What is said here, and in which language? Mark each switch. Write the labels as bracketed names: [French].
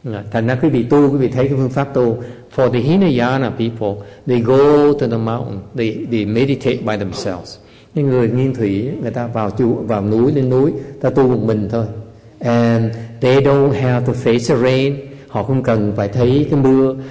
[Vietnamese] Thành ra quý vị tu, quý vị thấy cái phương pháp tu. [English] For the Hinayana people, they go to the mountain, they meditate by themselves. [Vietnamese] Những người nghiên thủy, người ta vào chùa, vào núi, lên núi, ta tu một mình thôi. [English] And they don't have to face the rain, [Vietnamese] họ không cần phải thấy cái mưa.